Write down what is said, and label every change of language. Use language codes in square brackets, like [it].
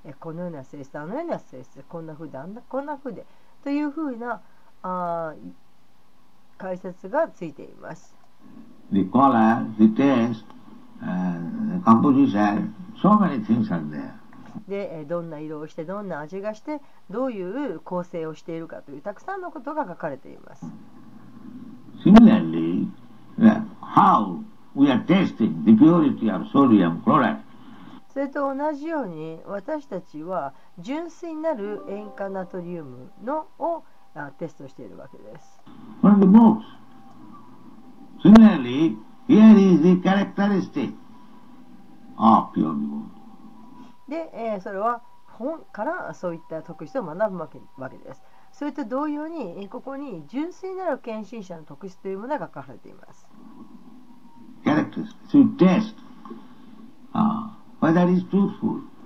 [ja] このような性質、あのような性質、こんなふうで、あんな、こんなふうでというふうな解説がついています。 [en] The color, the taste, the composition, so many things are there. [ja] で、どんな色をして、どんな味がして、どういう構成をしているかという、たくさんのことが書かれています。 [en] Similarly, how we are testing the purity of sodium chloride. [ja] それと同じように、私たちは純粋なる塩化ナトリウムのをテストしているわけです。 [en] From the books. Similarly, here is the characteristic of pure gold. [ja] で、それは本からそういった特質を学ぶわけです。それと同様に、ここに純粋なる献身者の特質というものが書かれています。 [en] Characteristics. So test. Whether it's truthful.